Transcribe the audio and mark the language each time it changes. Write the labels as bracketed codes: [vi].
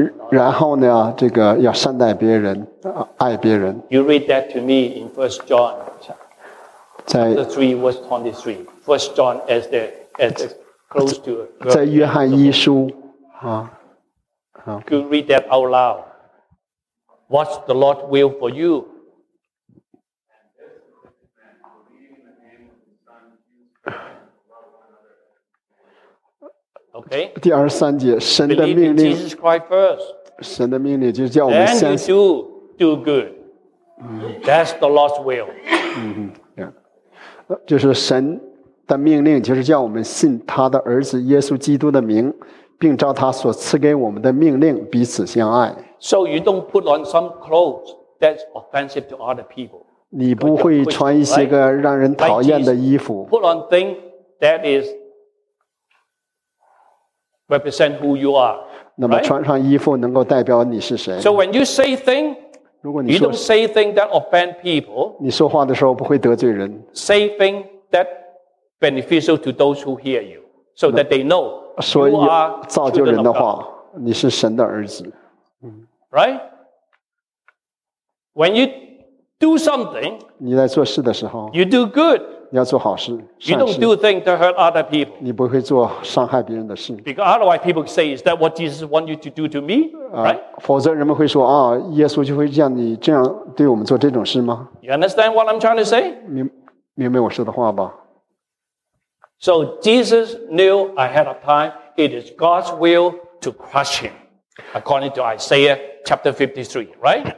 [zh] 然后呢，这个要善待别人，爱别人。 [en] You read that to me in 1 John, chapter 3, verse 23. 1 John as close to a girl. [zh] 在约翰一书啊， [en] 好。You read that out loud. What's the Lord will for you? Okay. [zh] 第二十三节，神的命令。 [en] Believe in Jesus Christ first. [zh] 神的命令就是叫我们先。 [en] Then you do good. That's the Lord's will. [zh] 就是神的命令，就是叫我们信他的儿子耶稣基督的名，并照他所赐给我们的命令彼此相爱。 [en] So you don't put on some clothes that's offensive to other people. [zh] 你不会穿一些个让人讨厌的衣服。 [en] Put on things that is. Represent who you are. [zh] 那么穿上衣服能够代表你是谁。 [en] So when you say things, [zh] 如果你 [en] you don't say things that offend people. [zh] 你说话的时候不会得罪人。 [en] Say things that beneficial to those who hear you, so that they know you are children of God. [zh] 所以造就人的话，你是神的儿子。 [en] Right? When you do something, [zh] 你在做事的时候 [en] you do good. [zh] 你要做好事。 [en] You don't do things to hurt other people. [zh] 你不会做伤害别人的事。 [en] Because otherwise, people say, "Is that what Jesus wants you to do to me?" Right? [zh] 否则人们会说啊，耶稣就会让你这样对我们做这种事吗 [en] ？You understand what I'm trying to say? [zh] 明白我说的话吧 [en] ？So Jesus knew ahead of time it is God's will to crush him, according to Isaiah chapter 53, right?